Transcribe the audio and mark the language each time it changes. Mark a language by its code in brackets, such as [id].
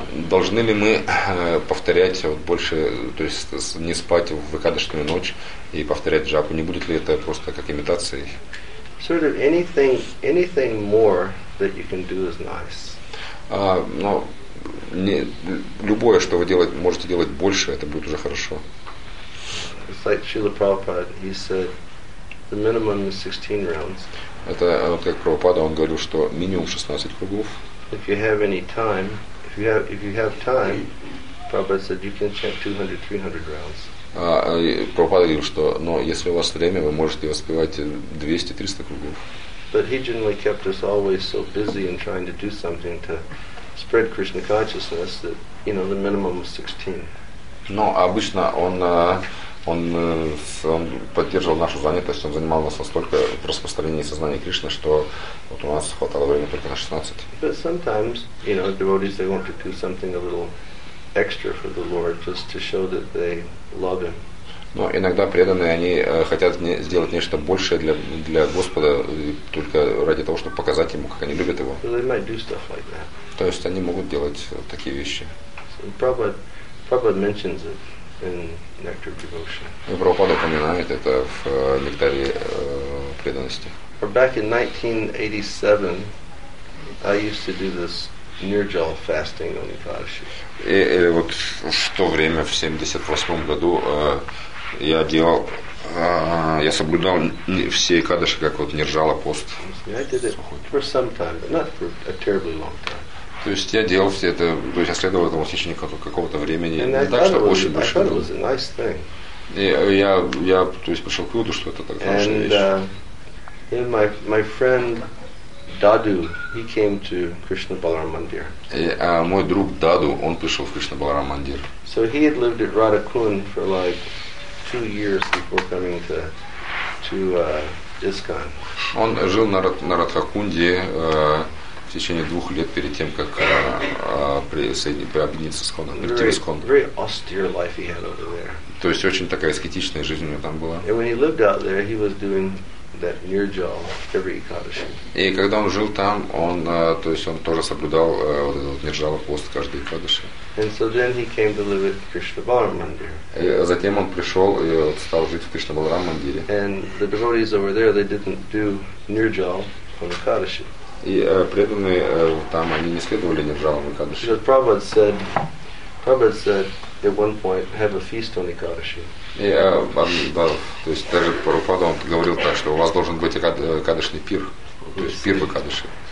[ru] Должны ли мы повторять вот больше, то есть не спать в выкадышную ночь и повторять джапу? Не будет ли это просто как имитацией? [en] Sort of anything more that you can do is nice. [ru] Но любое, что вы делать можете делать больше, это будет уже хорошо. [en] It's like Srila Prabhupada, he said the minimum is 16 rounds. [ru] Это как Прабхупада, он говорил, что минимум 16 кругов. [en] If you have any time, if you have time, Prabhupada said you can chant 200, 300 rounds. [ru] Прабхупада говорил, что но если у вас время, вы можете воспевать 200-300 кругов. [en] But he generally kept us always so busy in trying to do something to spread Krishna consciousness that, you know, the minimum was 16. [ru] Но обычно он поддерживал нашу занятость, он занимал нас настолько в распространении сознания Кришны, что вот у нас хватало времени только на 16. [en] But sometimes, you know, devotees, they want to do something a little extra for the Lord, just to show that they love Him. [ru] Но иногда преданные, они хотят сделать нечто большее для Господа, только ради того, чтобы показать Ему, как они любят Его. [en] So they might do stuff like that. [ru] То есть они могут делать такие вещи. [en] So Prabhupada mentions it in Nectar of Devotion. [ru] И Прабхупада упоминает это в Нектаре преданности. [en] Or back in 1987, I used to do this Nirjal fasting on Ekadashi. [ru] И вот в то время, в 78 году, я делал, я соблюдал все Экадаши, как вот Нирджала пост. [en] I did it for some time, but not for a terribly long time. [ru] То есть я делал все это, то есть я следовал этому в течение какого-то времени. Не так, что очень большое. [en] Nice. [ru] И я то есть пришел к выводу, что это так хорошая вещь. [en] And my friend Dadu, he came to Krishna Balaram Mandir. [ru] И мой друг Даду, он пришел в Кришна Баларам Мандир. [en] So he had lived at Radhakun for like 2 years before coming to ISKCON. [ru] Он жил на Радхакунде в течение 2 лет перед тем, как присоединиться с Исконом, прийти в Искон. [en] Very austere life he had over there. [ru] То есть очень такая аскетичная жизнь у него там была. [en] And when he lived out there, he was doing that nirjal every Ekadashi. [ru] И когда он жил там, он, то есть он тоже соблюдал вот этот нирджал пост каждый Экадаши. [en] And so then he came to live at Krishna Balaram Mandir. [ru] И затем он пришел и вот стал жить в Кришна Баларам Мандире. [en] And the devotees over there, they didn't do nirjal on Ekadashi. [ru] И преданные там, они не следовали нирджалам в Экадаши. [en] Because Prabhupada said at one point, have a feast on Ekadashi. [ru] И да, то есть даже Прабхупада он говорил так, что у вас должен быть Экадашный пир, то есть пир в Экадаши.